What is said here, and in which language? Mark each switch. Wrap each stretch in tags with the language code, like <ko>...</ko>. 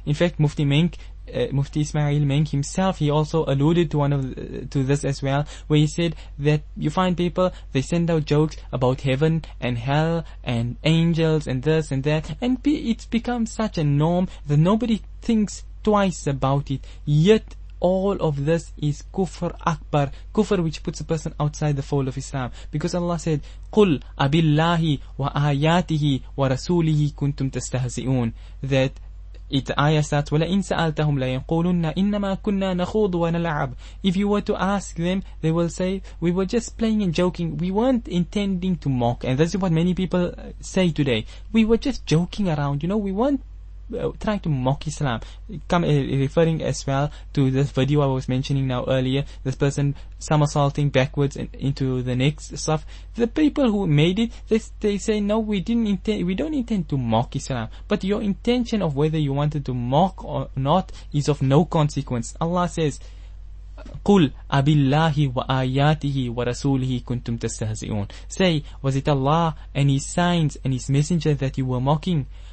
<en>In fact, Mufti Ismail Menk himself, he also alluded to to this as well, where he said that you find people, they send out jokes about heaven and hell and angels and this and that, and it's become such a norm that nobody thinks twice about it. Yet all of this is kufr akbar, kufr which puts a person outside the fold of Islam. Because Allah said,</en> <ar>قُلْ أَبِاللَّهِ وَآيَاتِهِ وَرَسُولِهِ كُنْتُمْ تَسْتَهْزِئُونَ,</ar> <en>that it ayah starts,</en> <ar>وَلَئِن سَأَلْتَهُمْ لَيَنْقُولُنَّ إِنَّمَا كُنَّا نَخُوضُ وَنَلْعَبُ.</ar> <en>If you were to ask them, they will say, we were just playing and joking, we weren't intending to mock. And this is what many people say today, we were just joking around, you know, we weren't trying to mock Islam. Referring as well to this video I was mentioning now earlier, this person somersaulting backwards into the next stuff. The people who made it, they say, no, we don't intend to mock Islam. But your intention of whether you wanted to mock or not is of no consequence. Allah says,</en> <ar>قُلْ أَبِ اللَّهِ وَآيَاتِهِ وَرَسُولِهِ كُنْتُمْ تَسْتَهْزِئُونَ.</ar> <en>Say, was it Allah and His signs and His messenger that you were mocking?</en>